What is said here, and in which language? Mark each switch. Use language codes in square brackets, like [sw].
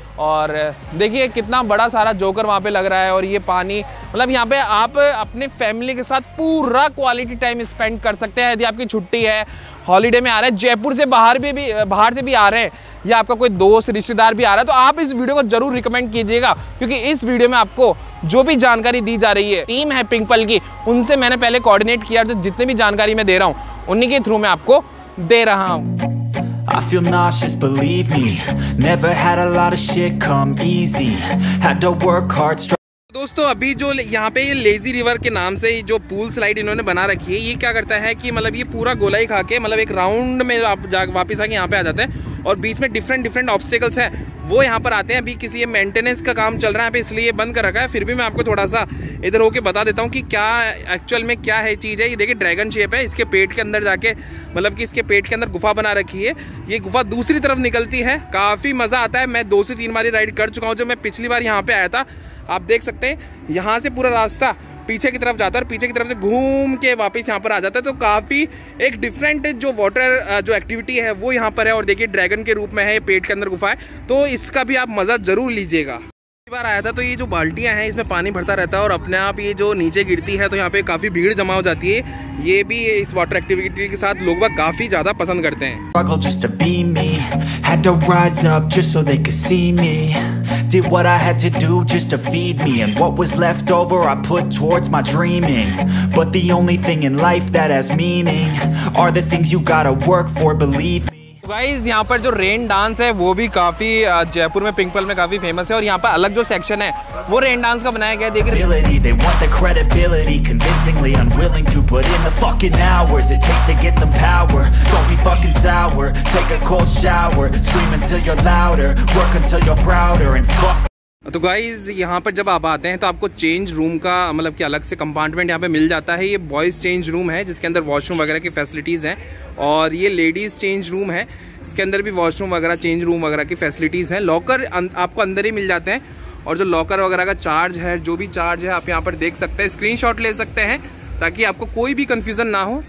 [hi] और देखिए कितना बड़ा सारा जोकर वहाँ पे लग रहा है और ये पानी, मतलब यहाँ पे आप अपने फैमिली के साथ पूरा क्वालिटी टाइम स्पेंड कर सकते हैं। यदि आपकी छुट्टी है, हॉलीडे में आ रहे हैं, जयपुर से बाहर भी बाहर से भी आ रहे हैं, या आपका कोई दोस्त रिश्तेदार भी आ रहा है, तो आप इस वीडियो को जरूर रिकमेंड कीजिएगा, क्योंकि इस वीडियो में आपको जो भी जानकारी दी जा रही है, टीम है पिंकपल की, उनसे मैंने पहले कोऑर्डिनेट किया, जो जितने भी जानकारी मैं दे रहा हूँ उन्हीं के थ्रू मैं आपको दे रहा हूँ। [en] I feel nauseous, believe me. Never had a lot of shit come easy. Had to work hard. [hi] दोस्तों अभी जो यहाँ पे ये लेजी रिवर के नाम से जो पूल स्लाइड इन्होंने बना रखी है, ये क्या करता है कि मतलब ये पूरा गोलाई खा के मतलब एक राउंड में आप वापस आके यहाँ पे आ जाते हैं और बीच में डिफरेंट डिफरेंट ऑब्स्टेकल्स हैं वो यहाँ पर आते हैं। अभी किसी ये मेंटेनेंस का काम चल रहा है यहाँ पे, इसलिए ये बंद कर रखा है, फिर भी मैं आपको थोड़ा सा इधर होके बता देता हूँ कि क्या एक्चुअल में क्या है चीज़ है। ये देखिए ड्रैगन शेप है, इसके पेट के अंदर जाके मतलब कि इसके पेट के अंदर गुफा बना रखी है, ये गुफा दूसरी तरफ निकलती है, काफ़ी मज़ा आता है। मैं 2 से 3 बार राइड कर चुका हूँ, जो मैं पिछली बार यहाँ पर आया था आप देख सकते हैं, यहाँ से पूरा रास्ता पीछे की तरफ जाता है और पीछे की तरफ से घूम के वापस यहाँ पर आ जाता है, तो काफ़ी एक डिफरेंट जो वाटर जो एक्टिविटी है वो यहाँ पर है। और देखिए ड्रैगन के रूप में है, पेट के अंदर गुफा है, तो इसका भी आप मज़ा ज़रूर लीजिएगा। पहली बार आया था तो ये जो बाल्टियाँ हैं इसमें पानी भरता रहता है और अपने आप ये जो नीचे गिरती है, तो यहाँ पर काफ़ी भीड़ जमा हो जाती है, ये भी इस वाटर एक्टिविटी के साथ लोग काफ़ी ज़्यादा पसंद करते हैं। [en] Did what I had to do just to feed me, and what was left over I put towards my dreaming. But the only thing in life that has meaning are the things you gotta work for, believe me. [hi] Guys, यहाँ पर जो rain dance है वो भी काफी जयपुर में पिंकपल में काफी फेमस है, और यहाँ पर अलग जो सेक्शन है वो रेन डांस का बनाया गया, देख रहे हैं। [en] They want the credibility, convincingly unwilling to put in the fucking hours it takes to get some power. Don't be fucking sour, take a cold shower, scream until you're louder, work until you're prouder and fuck. [hi] तो guys यहाँ पर जब आप आते हैं तो आपको change room का मतलब कि अलग से कंपार्टमेंट यहाँ पे मिल जाता है। ये बॉयज़ चेंज रूम है जिसके अंदर वॉशरूम वगैरह की फैसिलिटीज़ हैं, और ये लेडीज़ चेंज रूम है इसके अंदर भी वॉशरूम वगैरह चेंज रूम वगैरह की फैसिलिटीज़ हैं। लॉकर आपको अंदर ही मिल जाते हैं, और जो लॉकर वगैरह का चार्ज है, जो भी चार्ज है आप यहाँ पर देख सकते हैं, स्क्रीन शॉट ले सकते हैं ताकि आपको कोई भी कन्फ्यूज़न ना हो।